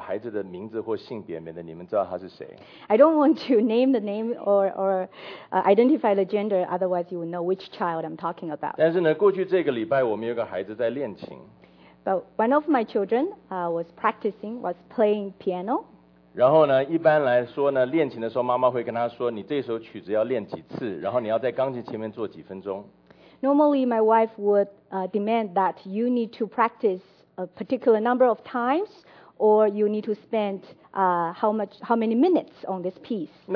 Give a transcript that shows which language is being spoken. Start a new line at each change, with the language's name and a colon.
Chinese: 那我现在就不讲我孩子的名字或性别，免得你们知道他是谁。
English: I don't want to name the name or identify the gender, otherwise you will know which child I'm talking about.
Chinese: 但是呢，过去这个礼拜我们有个孩子在练琴。
English: But one of my children was practicing, was playing piano.
Chinese: 然后呢，一般来说呢，练琴的时候，妈妈会跟他说，你这首曲子要练几次，然后你要在钢琴前面坐几分钟。
English: Normally, my wife would demand that you need to practice a particular number of times, or you need to spend how many minutes on this piece.